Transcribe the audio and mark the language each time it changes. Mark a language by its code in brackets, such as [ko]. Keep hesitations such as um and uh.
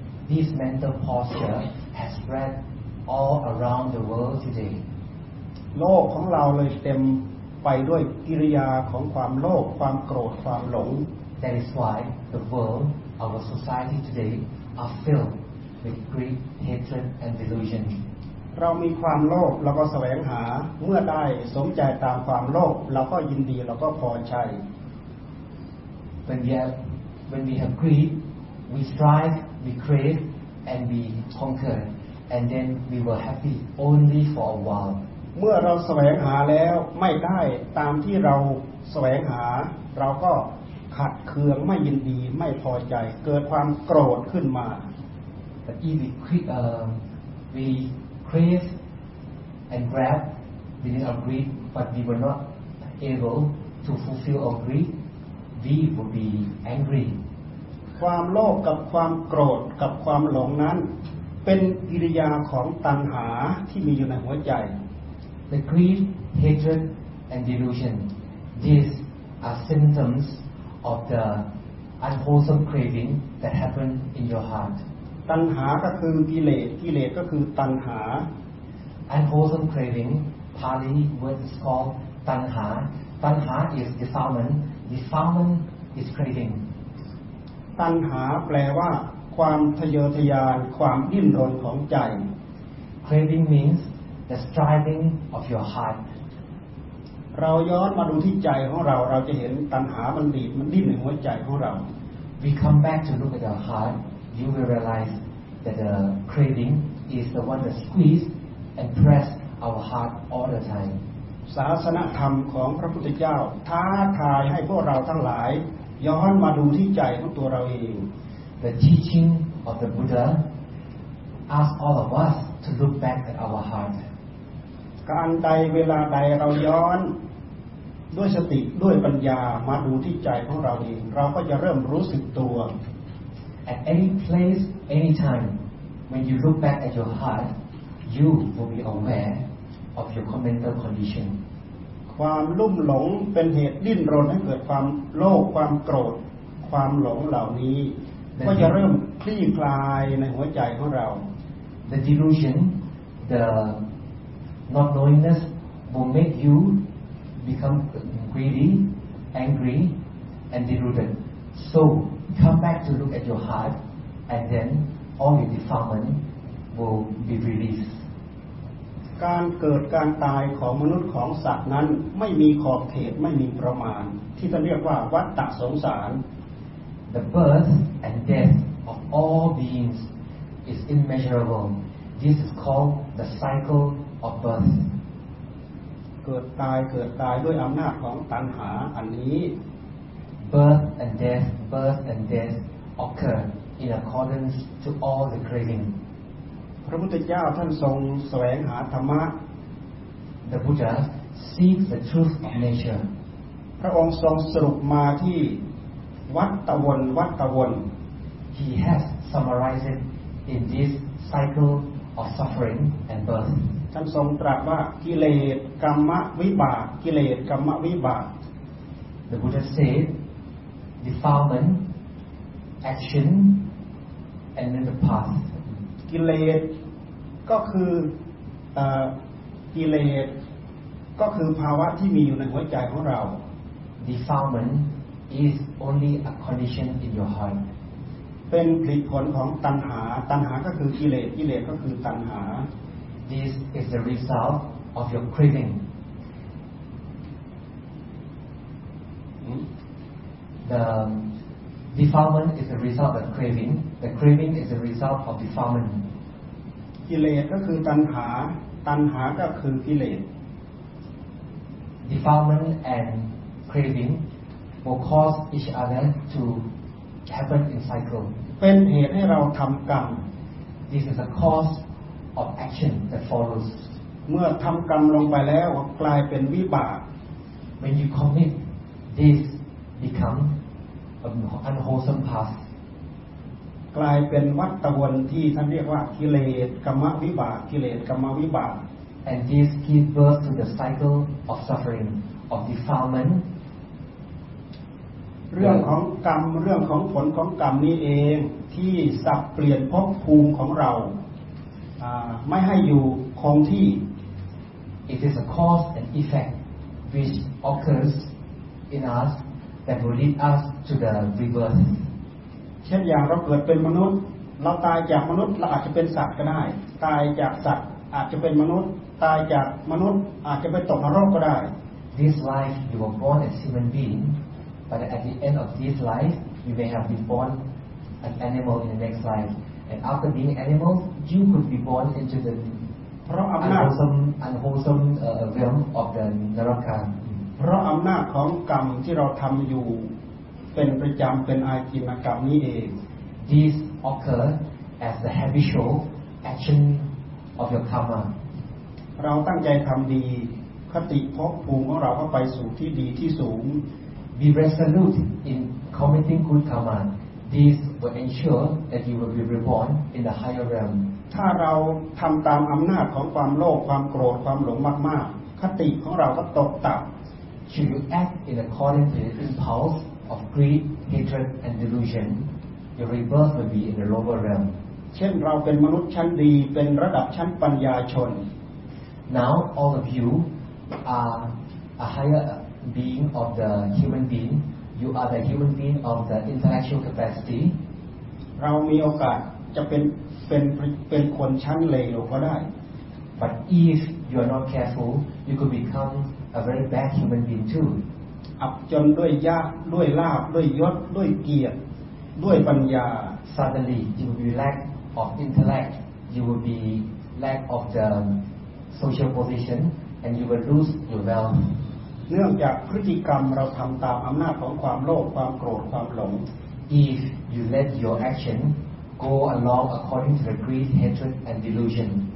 [en] This mental posture has spread all around the world today. [th] โลกของเราเลยเต็มไปด้วยกิริยาของความโลภความโกรธความหลง [en] That is why the world, our society today, are filled with greed, hatred, and delusion. [th] เรามีความโลภเราก็แสวงหาเมื่อได้สมใจตามความโลภเราก็ยินดีเราก็พอใจ [en] When we have, when we have greed, we strive, we crave, and we conquer, and then we were happy only for a while. [th] เมื่อเราแสวงหาแล้วไม่ได้ตามที่เราแสวงหา เราก็ขัดเคืองไม่ยินดีไม่พอใจ เกิดความโกรธขึ้นมา [en] But if we, cre- um, we crave and grab within our greed, but we were not able to fulfill our greed, we would be angry [th] ความโลภกับความโกรธกับความหลงนั้น เป็นกิริยาของตัณหาที่มีอยู่ในหัวใจ [en] The greed, hatred, and delusion. These are symptoms of the unwholesome craving that happen in your heart. [th] ตัณหาก็คือกิเลสกิเลสก็คือตัณหา [en] Unwholesome craving, Pali word is called tanha. Tanha is defilement. Defilement is craving. [th] ตัณหาแปลว่า ความทะเยอทะยาน ความดิ้นรนของใจ [en] Craving means the striving of your heart. [th] เราย้อนมาดูที่ใจของเรา เราจะเห็นตัณหามันดีดมันดิ้นในหัวใจของเรา [en] We come back to look at our heart, you will realize that the craving is the one that squeeze and press our heart all the time. [th] ศาสนธรรมของพระพุทธเจ้า ท้าทายให้พวกเราทั้งหลาย ย้อนมาดูที่ใจของตัวเราเอง [en] The teaching of the Buddha asks all of us to look back at our heart. [th] การใดเวลาใดเราย้อน ด้วยสติด้วยปัญญามาดูที่ใจของเราเอง เราก็จะเริ่มรู้สึกตัว [en] At any place, any time, when you look back at your heart, you will be aware of your mental condition. [th] ความลุ่มหลงเป็นเหตุดิ้นรนให้เกิดความโลภความโกรธ ความหลงเหล่านี้ ก็จะเริ่มคลี่คลายในหัวใจของเรา [en] The delusion, the not knowingness will make you become greedy, angry, and deluded. So come back to look at your heart, and then all your defilement will be released. [th] การเกิดการตายของมนุษย์ของสัตว์นั้นไม่มีขอบเขตไม่มีประมาณ ที่จะเรียกว่าวัฏฏะสงสาร [en] The birth and death of all beings is immeasurable. This is called the cycle of birth. [th] เกิดตายเกิดตายด้วยอำนาจของตัณหาอันนี้ [en] Birth and death, birth and death occur in accordance to all the craving. [th] พระพุทธเจ้าท่านทรงแสวงหาธรรมะ [en] The Buddha seeks the truth of nature. [th] พระองค์ทรงสรุปมาที่วัตตะวนวัตตะวน [en] He has summarized it in this cycle of suffering and birth. [th] ท่านทรงตรัสว่ากิเลสกรรมวิบากกิเลสกรรมวิบาก [en] The Buddha said, defilement, action, and then the path. [th] กิเลสก็คือเออกิเลสก็คือภาวะที่มีอยู่ในหัวใจของเรา [en] Defilement is only a condition in your heart. [th] เป็นผลผลของตัณหา ตัณหาก็คือกิเลสกิเลสก็คือตัณหา [en] This is the result of your craving. The defilement is the result of craving. The craving is the result of defilement. [th] กิเลสก็คือตัณหา ตัณหาก็คือกิเลส [en] Defilement and craving will cause each other to happen in cycle. [th] เป็นเหตุให้เราทำกรรม [en] This is the cause of action that follows. [th] เมื่อทำกรรมลงไปแล้วกลายเป็นวิบาก [en] When you commit, this become an unwholesome path. [th] กลายเป็นวัตตะวนที่ท่านเรียกว่ากิเลสกรรมวิบากกิเลสกรรมวิบาก [en] And this gives birth to the cycle of suffering, of defilement. [th] เรื่องของกรรมเรื่องของผลของกรรมนี้เองที่สับเปลี่ยนภพภูมิของเราอ่าไม่ให้อยู่คงที่ [en] It is a cause and effect which occurs in us that will lead us to the rebirth. [th] เช่นอย่างเราเกิดเป็นมนุษย์ เราตายจากมนุษย์เราอาจจะเป็นสัตว์ก็ได้ ตายจากสัตว์อาจจะเป็นมนุษย์ ตายจากมนุษย์อาจจะไปตกนรกก็ได้ [en] This life you were born as human being, but at the end of this life you may have been born an animal in the next life. And after being animal, you could be born into the [th] เพราะอำนาจ [en] unwholesome, unwholesome uh, realm of the Naraka. [th] เพราะอำนาจของกรรมที่เราทำอยู่ เป็นประจำเป็นอาจินกรรมนี้เอง [en] These occur as the habitual action of your karma. [th] เราตั้งใจทำดีคติภพภูมิของเราก็ไปสู่ที่ดีที่สูง [en] Be resolute in committing good karma. These will ensure that you will be reborn in the higher realm. [th] ถ้าเราทำตามอำนาจของความโลภความโกรธความหลงมากๆ คติของเราก็ตกต่ [en] Should you act in accordance with the impulse of greed, hatred, and delusion, your rebirth will be in the lower realm. [th] ำเช่นเราเป็นมนุษย์ชั้นดี เป็นระดับชั้นปัญญาชน [en] Now, all of you are a higher being of the human being. You are the human being of the intellectual capacity, [th] เรามีโอกาสจะเป็นเป็นเป็นคนชั้นเลวก็ได้ [en] But if you are not careful, you could become a very bad human being too. [th] อับจนด้วยยากด้วยลาบด้วยยศด้วยเกียรติ ด้วยปัญญา [en] Suddenly, you will be lack of intellect, you will be lack of the social position, and you will lose your wealth. [th] เนื่องจากพฤติกรรมเราทำตามอำนาจของความโลภความโกรธความหลง [en] If you let your action go along according to the greed, hatred, and delusion.